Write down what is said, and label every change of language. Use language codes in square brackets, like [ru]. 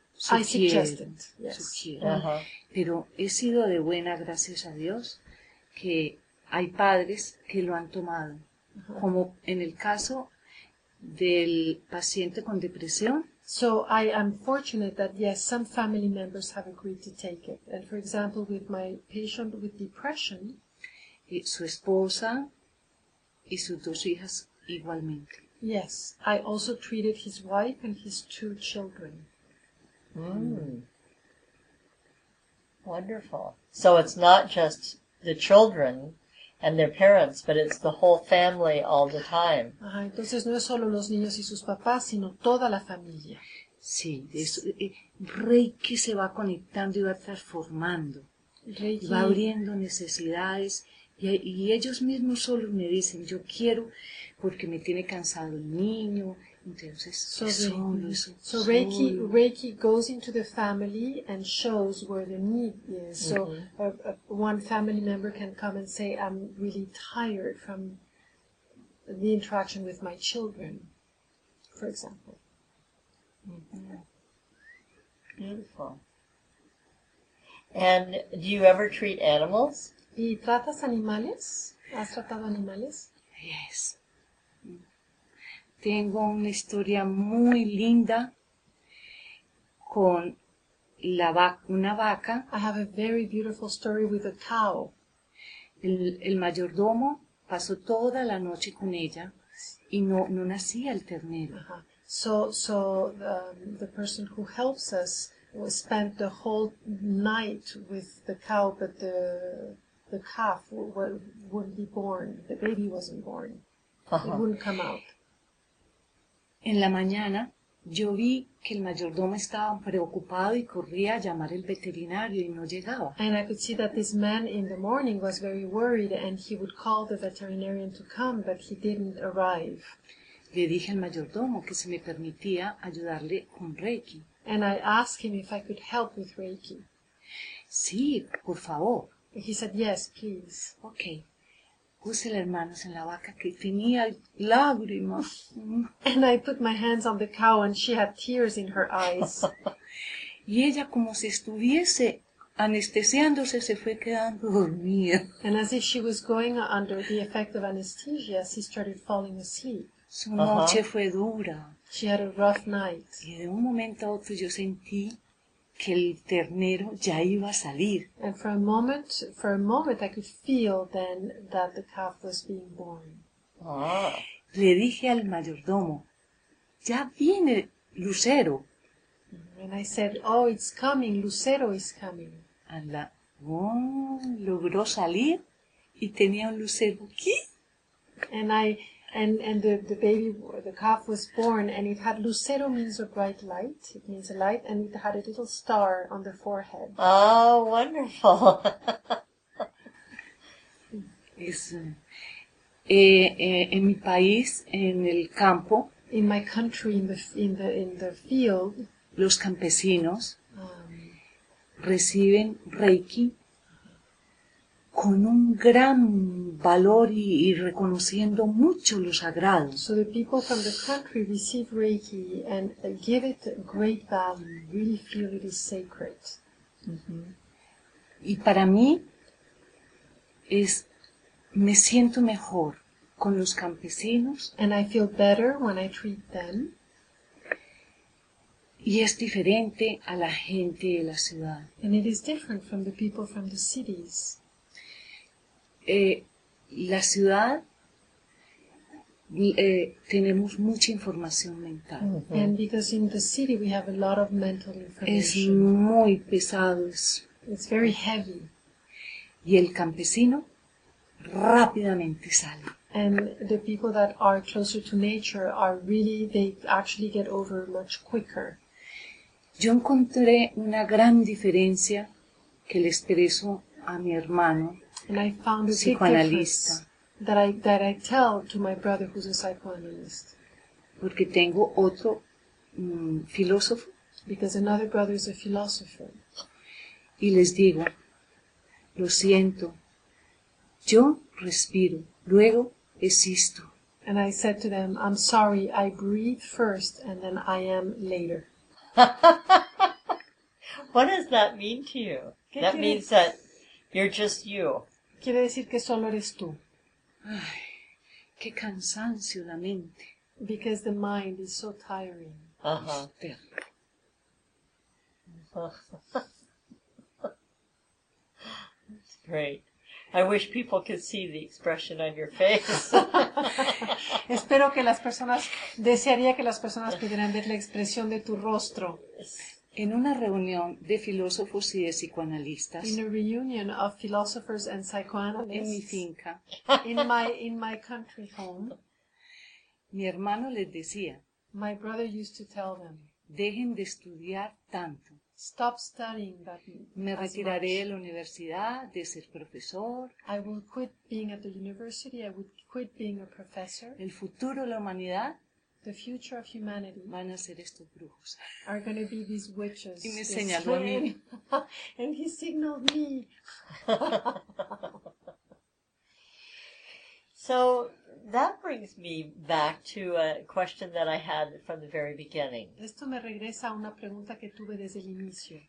[en] I suggest it. Yes. [es] Sugiero. Uh-huh. Pero he sido de buena, gracias a Dios, que hay padres que lo han tomado. Como en el caso del paciente con depresión. [en] So I am fortunate that, yes, some family members have agreed to take it. And for example, with my patient with depression. [es] Y su esposa y sus dos hijas igualmente. [en] Yes, I also treated his wife and his two children. Mm. Wonderful. So it's not just the children and their parents, but it's the whole family all the time. [es] Ah, entonces no es solo los niños y sus papás, sino toda la familia. Sí, es, Reiki se va conectando y va transformando. Reiki. Va abriendo necesidades. Y ellos mismos solo me dicen, yo quiero porque me tiene cansado el niño. Entonces, [en] so [es] solo, eso. So Reiki, solo. [en] Reiki goes into the family and shows where the need is. Mm-hmm. So one family member can come and say, I'm really tired from the interaction with my children, for example. Mm-hmm. Beautiful. And do you ever treat animals? [es] ¿Y tratas animales? ¿Has tratado animales? [en] Yes. [es] Tengo una historia muy linda con la una vaca. [en] I have a very beautiful story with a cow. [es] El mayordomo pasó toda la noche con ella y no nacía el ternero. Uh-huh. [en] So the person who helps us spent the whole night with the cow, but the calf wouldn't be born. The baby wasn't born. Uh-huh. It wouldn't come out. [es] En la mañana, yo vi que el mayordomo estaba preocupado y corría a llamar al veterinario y no llegaba. [en] And I could see that this man in the morning was very worried and he would call the veterinarian to come, but he didn't arrive. [es] Le dije al mayordomo que se me permitía ayudarle con Reiki. [en] And I asked him if I could help with Reiki. [es] Sí, por favor. [en] He said, yes, please. Okay. [es] Puse las manos en la vaca que tenía lágrimas. [en] And I put my hands on the cow and she had tears in her eyes. [es] Y ella como si estuviese anestesiándose se fue quedando dormida. [en] And as if she was going under the effect of anesthesia, she started falling asleep. [es] Su noche uh-huh. fue dura. [en] She had a rough night. [es] Y de un momento a otro yo sentí que el ternero ya iba a salir. [en] And for a moment I could feel then that the calf was being born. [es] Le dije al mayordomo, ya viene Lucero. [en] And I said, oh, it's coming, Lucero is coming. [es] And logró salir y tenía un lucero aquí. [en] And the calf was born, and it had, Lucero means a bright light, it means a light, and it had a little star on the forehead. Oh, wonderful. [es] En mi país, en el campo. [en] In my country, in the field. [es] Los campesinos reciben Reiki con un gran valor y reconociendo mucho lo sagrado. [en] So the people from the country receive Reiki and give it great value, really feel it is sacred. Mm-hmm. [es] Y para mí es, me siento mejor con los campesinos. [en] And I feel better when I treat them. [es] Y es diferente a la gente de la ciudad. [en] And it is different from the people from the cities. [es] La ciudad tenemos mucha información mental. Mm-hmm. [en] And because in the city we have a lot of mental information. [es] Es muy pesado. [en] It's very heavy. [es] Y el campesino rápidamente sale. [en] And the people that are closer to nature are really, they actually get over much quicker. [es] Yo encontré una gran diferencia que le expreso a mi hermano. [en] And I found a big difference that I tell to my brother who's a psychoanalyst. [es] Porque tengo otro filósofo. [en] Because another brother is a philosopher. [es] Y les digo, lo siento, yo respiro, luego existo. [en] And I said to them, I'm sorry, I breathe first and then I am later. What does that mean to you? That means that you're just you. [es] Quiere decir que solo eres tú. Ay, qué cansancio la mente. [en] Because the mind is so tiring. Uh-huh. That's great. I wish people could see the expression on your face. [es] Espero que las personas, desearía que las personas pudieran ver la expresión de tu rostro. En una reunión de filósofos y de psicoanalistas. [en] In a reunion of philosophers and psychoanalysts. [es] En mi finca. [en] In my country home. [es] Mi hermano les decía. [en] My brother used to tell them. [es] Dejen de estudiar tanto. [en] Stop studying that. [es] Me retiraré de la universidad, de ser profesor. [en] I will quit being at the university. I would quit being a professor. [es] El futuro de la humanidad. [en] The future of humanity. [es] Van a ser estos brujos. [en] Are going to be these witches. [es] Y me señaló a mí. [en] And he signaled me. So that brings me back to a question that I had from the very beginning. [es] Esto me regresa a una pregunta que tuve desde el inicio.